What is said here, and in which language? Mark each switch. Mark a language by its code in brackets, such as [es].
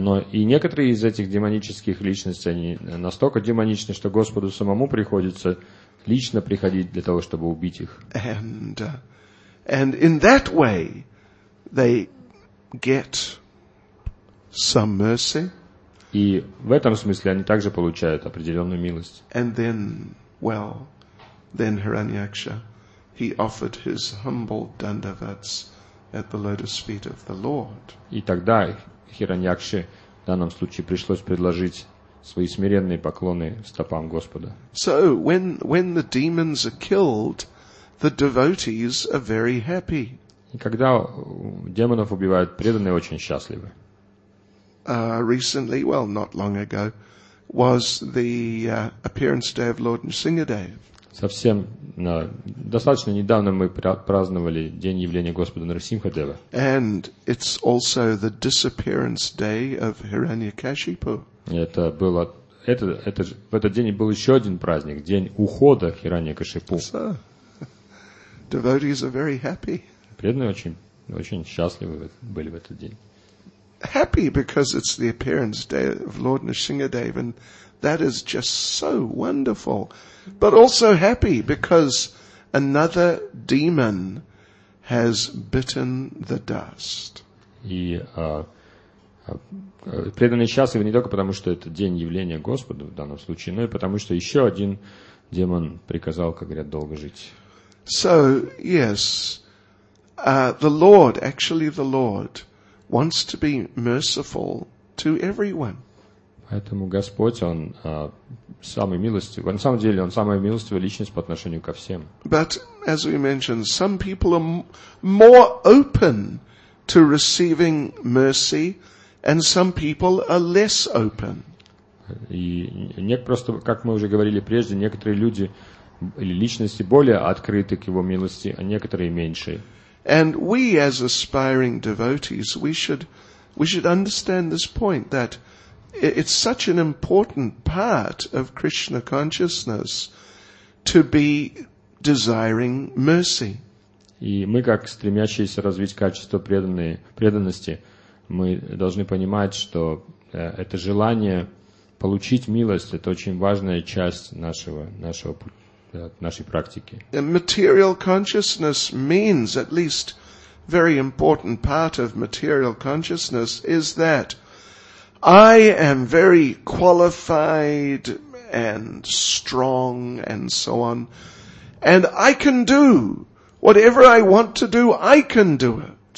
[ru] И некоторые из этих демонических личностей, они настолько демоничны, что Господу самому приходится лично приходить для того, чтобы убить их. [en] And in that way they get some mercy. [ru] И в этом смысле они также получают определенную милость. [en] And then, well, then Hiranyaksha, he offered his humble dandavats at the lotus feet of the Lord. [ru] И тогда Хираньякше в данном случае пришлось предложить свои смиренные поклоны стопам Господа. [en] So when the demons are killed, the devotees are very happy. [ru] И когда демонов убивают, преданные очень счастливы. [en] Recently, well, not long ago, was the appearance day of Lord Nrisimhadev. [ru] Совсем, достаточно недавно мы праздновали день явления Господа Нарсимхадева. [en] And it's also the disappearance day of Hiranyakashipu. [ru] В этот день был еще один праздник, день ухода Хираньякашипу. [en] So, devotees are very happy. [ru] Преданные очень счастливы были в этот день. [en] Happy because it's the appearance day of Lord Nrisimhadev, and that is just so wonderful. But also happy because another demon has bitten the dust. [ru] И преданные счастливы не только потому, что это день явления Господа в данном случае, но и потому, что еще один демон приказал, как говорят, долго жить. [en] So, yes, the Lord wants to be merciful to everyone. [ru] Поэтому Господь, Он самый милостивый. На самом деле, Он самая милостивая личность по отношению ко всем. [en] But, as we mentioned, some people are more open to receiving mercy, and some people are less open. [ru] И не просто, как мы уже говорили прежде, некоторые люди или личности более открыты к Его милости, а некоторые меньше. [en] And we, as aspiring devotees, we should understand this point, that it's such an important part of Krishna consciousness to be desiring mercy. [ru] И мы, как стремящиеся развить качество преданности, мы должны понимать, что это желание получить милость — это очень важная часть нашего пути. Нашей практики. [en] Material consciousness means, at least very important part of material consciousness, is that I am very qualified and strong and so on, and I can do whatever I want to do, I can do it.